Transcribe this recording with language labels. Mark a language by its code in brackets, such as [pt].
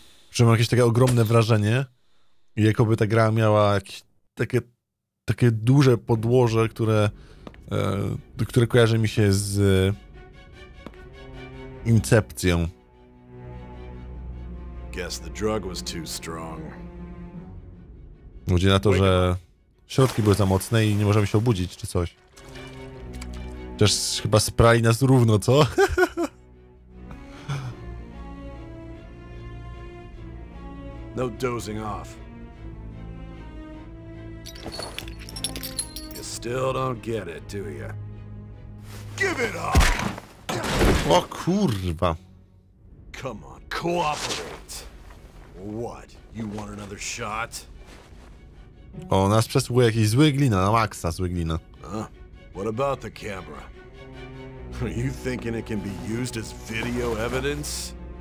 [pl] Że ma jakieś takie ogromne wrażenie, jakoby ta gra miała jakieś takie duże podłoże, które kojarzy mi się z Incepcją. [en] Guess the drug was too strong. [pl] Chodzi na to, że środki były za mocne i nie możemy się obudzić, czy coś. Chociaż chyba sprali nas równo, co? [en] No dozing off. Still don't get it, do you? Give it up! [pl] O kurwa. [en] Come on, cooperate. What? You want another shot? [pl] O, nas przesłuchuje jakiś zły glina, na maksa zły glina. Huh? What about the camera? Are you thinking it can be used as video evidence?